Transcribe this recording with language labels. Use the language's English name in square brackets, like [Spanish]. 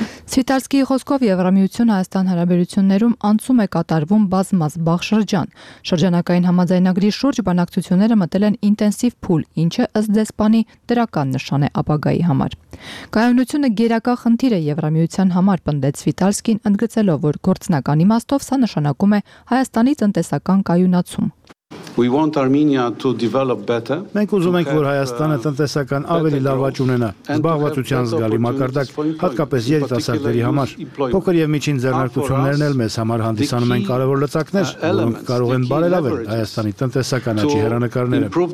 [Armenian] Սվիտալսկիի խոսքով Եվրամիություն-Հայաստան հարաբերություններում անցում է կատարվում բազմազբաղ շրջան։ Շրջանակային համաձայնագրի շուրջ բանակցությունները մտել են ինտենսիվ փուլ, ինչը ըստ դեսպանի դրական նշան է ապագայի համար։ Կայունությունը գերակա խնդիր է Եվրամիության համար, պնդեց Սվիտալսկին, ընդգծելով, որ գործնական իմաստով սա նշանակում է Հայաստանի տնտեսական կայունացում։ [English] We want Armenia to develop better. [Armenian] Մենք ուզում ենք, որ Հայաստանը տնտեսական ավելի լավ վաճ ունենա, զբաղվածության զգալի մակարդակ, հատկապես երիտասարդների համար։ Փոքր և միջին ձեռնարկություններն էլ մեզ համար հանդիսանում են կարևոր լծակներ, որոնք կարող են բարելավել Հայաստանի տնտեսական աճի հեռանկարները։